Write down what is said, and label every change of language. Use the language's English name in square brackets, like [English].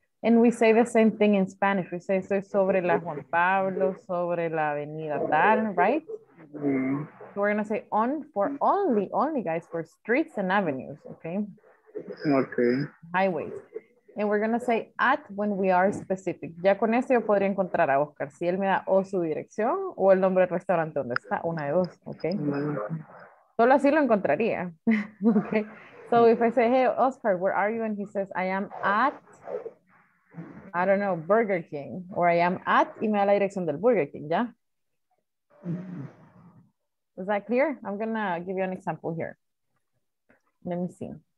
[English] And we say the same thing in Spanish. We say, [Spanish] soy sobre la Juan Pablo, sobre la Avenida Tal, [English] right? So we're gonna say on for only guys, for streets and avenues, okay? Okay. Highways. And we're gonna say at when we are specific. [Spanish] Ya con eso yo podría encontrar a Oscar, si él me da o su dirección o el nombre del restaurante donde está, una de dos, okay? Solo así lo encontraría, okay? [English] So if I say, hey, Oscar, where are you? And he says, I am at, I don't know, Burger King, or I am at, [Spanish] y me da la dirección del Burger King, ¿ya? [English] Is that clear? I'm gonna give you an example here. Let me see.